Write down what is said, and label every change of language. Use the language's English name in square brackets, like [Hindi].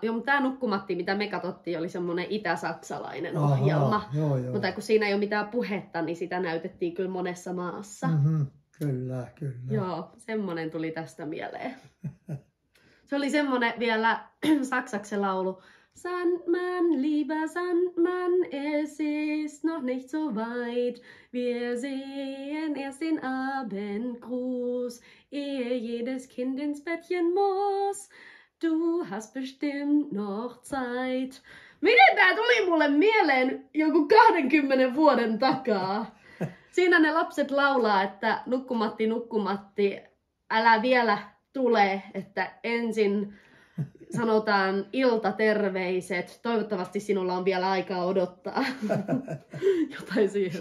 [Finnish] Joo, mutta tämä nukkumatti, mitä me katsottiin, oli semmoinen itä-saksalainen ohjelma. Joo. Mutta kun siinä ei ole mitään puhetta, niin sitä näytettiin kyllä monessa maassa. Mm-hmm. Kyllä, kyllä. Joo, semmoinen tuli tästä mieleen. Se oli semmoinen vielä saksaksi laulu. [German] Sandman, lieber Sandman, es ist noch nicht so weit. Wir sehen erst den Abendgruß, ehe jedes Kind ins Bettchen muss. Du hast bestimmt noch Zeit. [Finnish] Miten tää tuli mulle mieleen joku 20 vuoden takaa? Siinä ne lapset laulaa, että nukkumatti, nukkumatti, älä vielä tule, että ensin sanotaan ilta terveiset. Toivottavasti sinulla on vielä aikaa odottaa jotain siihen